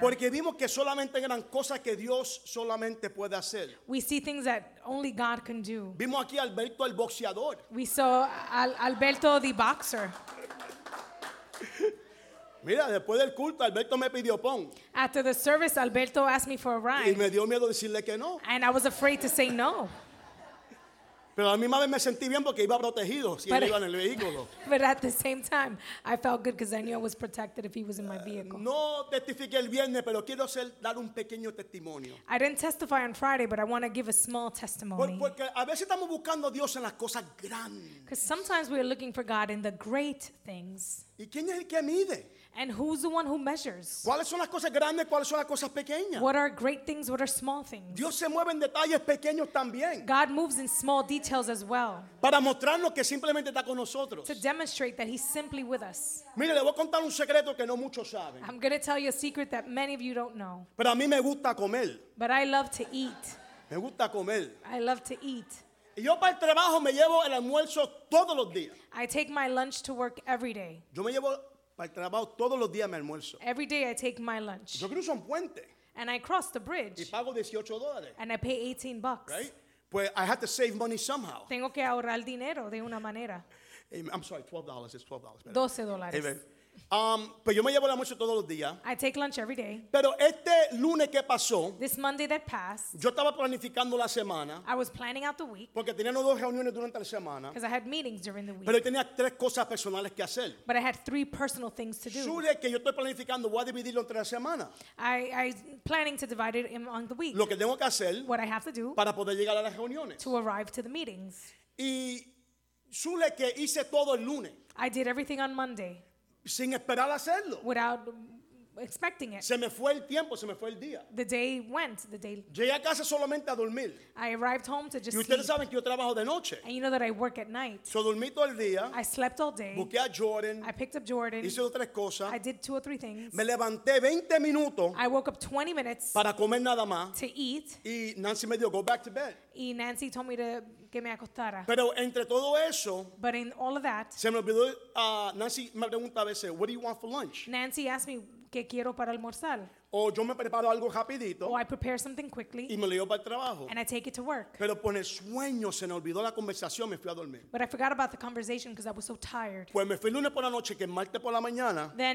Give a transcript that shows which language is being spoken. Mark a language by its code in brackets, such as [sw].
[es] Porque vimos que solamente eran cosas que Dios solamente puede hacer. [en] We see things that only God can do. [es] Vimos aquí a Alberto el boxeador. [en] We saw Alberto the boxer. [es] Mira, después del culto, Alberto me pidió pon. [en] After the service, Alberto asked me for a ride. [es] Y me dio miedo decirle que no. [en] And I was afraid to say no. [es] Pero a la misma vez me sentí bien porque iba protegido si él iba en el vehículo. [en] But at the same time, I felt good because I knew I was protected if he was in my vehicle. [es] No testifiqué el viernes, pero quiero dar un pequeño testimonio. [en] I didn't testify on Friday, but I want to give a small testimony. [es] Porque a veces estamos buscando a Dios en las cosas grandes. [en] Because sometimes we are looking for God in the great things. [es] ¿Y quién es el que mide? [en] And who's the one who measures? [es] ¿Cuáles son las cosas grandes, cuáles son las cosas pequeñas? [en] What are great things, what are small things? [es] Dios se mueve en detalles pequeños también. [en] God moves in small details as well. [es] Para mostrarnos que simplemente está con nosotros. [en] To demonstrate that he's simply with us. [es] Mire, le voy a contar un secreto que no muchos saben. [en] I'm going to tell you a secret that many of you don't know. [es] Pero a mí me gusta comer. [en] But I love to eat. [es] Me gusta comer. [en] I love to eat. [es] Yo para el trabajo me llevo el almuerzo todos los días. [en] I take my lunch to work every day. [es] Yo me llevo para el trabajo todos los días mi almuerzo. [en] Every day I take my lunch. [es] Yo cruzo un puente. [en] And I cross the bridge. [es] Y pago $18. [en] And I pay $18. Right? Pues I have to save money somehow. [es] Tengo que ahorrar dinero de una manera. [en] I'm sorry, $12. It's $12. $12. Amen. [es] Pero yo me llevo el almuerzo todos los días. [en] I take lunch every day. [es] Pero este lunes que pasó, [en] this Monday that passed, [es] yo estaba planificando la semana. [en] I was planning out the week. [es] Porque tenía dos reuniones durante la semana. [en] Because I had meetings during the week. [es] Pero tenía tres cosas personales que hacer. [en] But I had three personal things to do. [es] Surge que yo estoy planificando, voy a dividirlo entre la semana. [en] I'm planning to divide it in, on the week. [es] Lo que tengo que hacer, [en] what I have to do, [es] para poder llegar a las reuniones. [en] To arrive to the meetings. [es] Y surge que hice todo el lunes. [en] I did everything on Monday. [es] Sin esperar hacerlo. [en] Without expecting it. [es] Se me fue el tiempo, se me fue el día. [en] The day went, the day. [es] Llegué a casa solamente a dormir. [en] I arrived home to just sleep. [es] Y ustedes saben que yo trabajo de noche. [en] And you know that I work at night. [es] So dormí todo el día. [en] I slept all day. [es] Busqué a Jordan. [en] I picked up Jordan. [es] Hice otras cosas. [en] I did two or three things. [es] Me levanté 20 minutos. [en] I woke up 20 minutes. [es] Para comer nada más. [en] To eat. [es] Y Nancy me dijo, [en] go back to bed. [es] Y Nancy [en] told me to [es] que me acostara. Pero entre todo eso, [en] but in all of that, [es] se me olvidó, Nancy me pregunta a veces, [en] what do you want for lunch? Nancy asked me, [es] ¿qué quiero para almorzar? O yo me preparo algo rapidito. [en] I prepare something quickly. [es] Y me lo llevo para el trabajo. [en] And I take it to work. [es] Pero por el sueño se me olvidó la conversación, me fui a dormir. [en] But I forgot about the conversation because I was so tired. [es] Pues me fui lunes por la noche, que martes por la mañana.